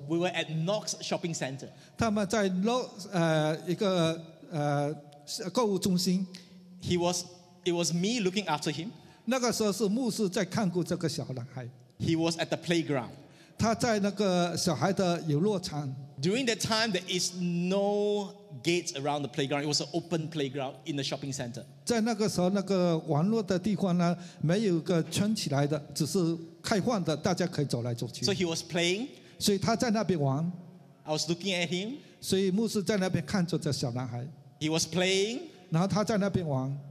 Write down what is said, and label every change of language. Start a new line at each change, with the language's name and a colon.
English: ，We were at Knox Shopping Center.
Chinese: 他们在 Knox 一个购物中心。
English: It was me looking after him.
Chinese: 那个时候是牧师在看顾这个小男孩。
English: He was at the playground.
Chinese: 他在那个小孩的游乐场。
English: During that time, there is no gates around the playground. It was an open playground in the shopping center.
Chinese: 在那个时候，那个玩乐的地方呢，没有个圈起来的，只是开放的，大家可以走来走去。
English: So he was playing.
Chinese: 所以他在那边玩。
English: I was looking at him.
Chinese: 所以牧师在那边看着这小男孩。
English: He was playing.
Chinese: 然后他在那边玩。